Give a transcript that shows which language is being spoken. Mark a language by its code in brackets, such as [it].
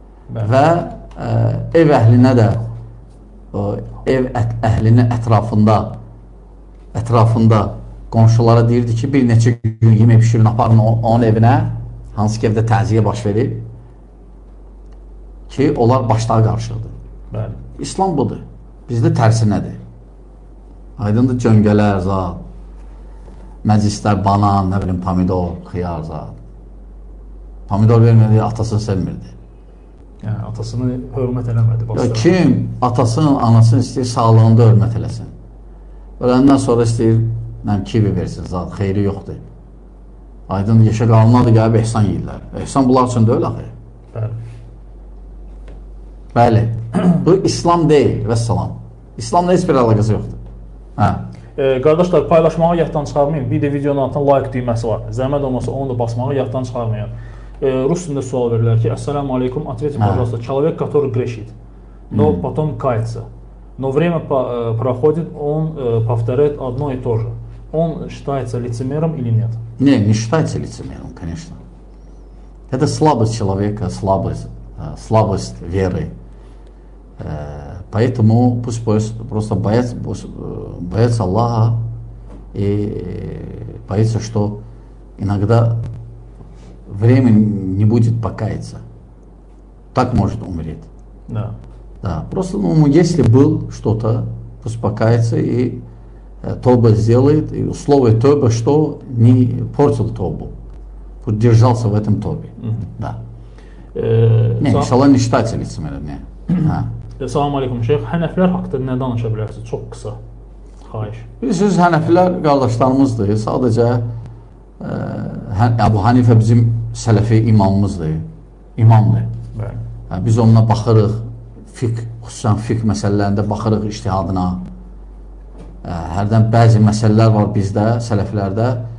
[az] Və ev əhlinə də, ev əhlinin ətrafında qonşulara deyirdi ki, bir neçə gün yemək pişirin, aparın onun evinə, hansı ki evdə təziyə baş verib, ki onlar başlığa qarışıqdır. Bəli. İslam budur. Bizdə tərsi nədir? Aydındır cöngələr, zad. Məclislər, banan, nə bilim, pomidor, xiyar, zad. Pomidor vermedi, atasını sevmirdi. Yani atasını hürmet eləmədi. Ya kim atasının, anasının istəyir sağlığında hürmet eləsin. Öləndən sonra istəyir mən kibi versin, zat xeyri yoxdur. Aydın yeşə qalınadır, gəlib ehsan yiyirlər. Ehsan bunlar üçün də öyle axı. Bəli. Bu İslam deyil, vəssalam. İslamla heç bir əlaqası yoxdur. Hə. Qardaşlar, paylaşmağı yaddan çıxarmayın. Bir də videonun altında like düyməsi var. Zəhmət olmasa onu da basmağı yaddan çıxarmayın. Rus dilində sual verirlər ki, Əs-salamu aleykum, [ru] ответ, пожалуйста, человек, который грешит, но потом кается. Но время проходит, он повторяет одно и то же. Он считается лицемером или нет? Не, не считается лицемером, конечно. Это слабость человека, слабость веры. Поэтому пусть просто боится Аллаха и боится, что иногда время не будет покаяться. Так может умереть. Да. Да. Просто, ну, если был что-то, пусть покаяться и тоба сделает. И условие тоба, что не портил тобу. Пусть держался в этом тобе. Угу. Да. Не, иншаллах не считается лицемером. Не. [az] Salamu aleykum, şeyh. Hənəflər haqda nə danışa bilərsiniz? Çox qısa. Xahiş. Bilirsiniz, hənəflər qardaşlarımızdır. Sadəcə, Əbu Hanifə bizim sələfi imamımızdır. İmamdır. Bəli. Biz onunla baxırıq. Fiq, xüsusən fiq məsələlərində baxırıq iştihadına. Hərdən bəzi məsələlər var bizdə, sələflərdə.